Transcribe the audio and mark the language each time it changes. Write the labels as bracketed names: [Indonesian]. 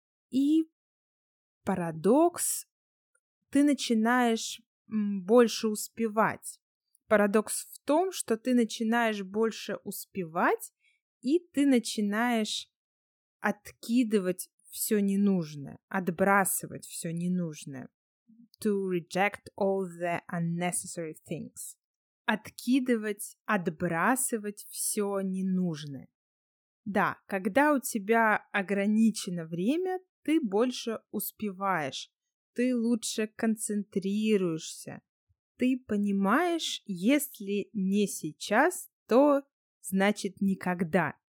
[Russian] И парадокс, ты начинаешь больше успевать. Парадокс в том, что ты начинаешь больше успевать, и ты начинаешь откидывать все ненужное, отбрасывать все ненужное. [English] To reject all the unnecessary things. [Russian] Откидывать, отбрасывать все ненужное. Да, когда у тебя ограничено время, ты больше успеваешь, ты лучше концентрируешься, ты понимаешь, если не сейчас, то значит никогда.